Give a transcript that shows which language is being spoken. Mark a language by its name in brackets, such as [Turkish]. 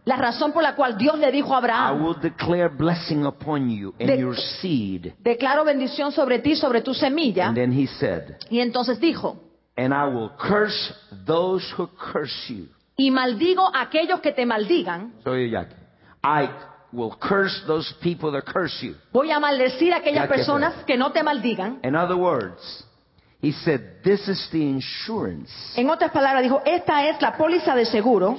[Spanish] La razón por la cual Dios le dijo a Abraham. [English] I will declare blessing upon you and your seed. [Spanish] Declaro bendición sobre ti y sobre tu semilla. [English] And then he said. [Spanish] Y entonces dijo. [English] And I will curse those who curse you. [Spanish] Y maldigo aquellos que te maldigan. Soy Jackie. [English] I will curse those people that curse you. [Spanish] Voy a maldecir a aquellas personas que no te maldigan. [English] In other words, he said, this is the insurance. [Spanish] En otras palabras, dijo, esta es la póliza de seguro.